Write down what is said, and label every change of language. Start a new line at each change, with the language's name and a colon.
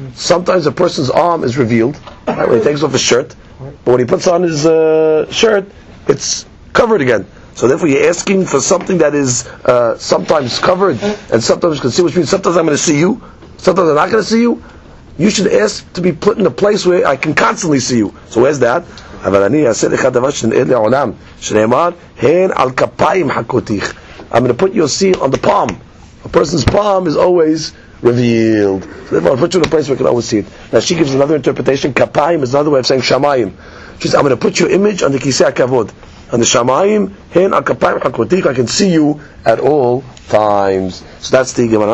English: Sometimes a person's arm is revealed, right, when he takes off his shirt, but when he puts on his shirt, it's covered again. So therefore you're asking for something that is sometimes covered, and sometimes concealed, which means sometimes I'm going to see you, sometimes I'm not going to see you. You should ask to be put in a place where I can constantly see you. So where's that?
Hebrew: אבל אני אעשה לך דבר שנאה לעולם, שנאמר, הן על כפיים חכותיך.
English: I'm going to put your seal on the palm. A person's palm is always revealed. So therefore, I'll put you in a place where you can always see it. Now she gives another interpretation. כפיים is another way of saying שמיים. She says, I'm going to put your image on the כיסא הכבוד. On the
Hebrew: שמיים, הן על כפיים חכותיך.
English: I can see you at all times. So that's the Gemara.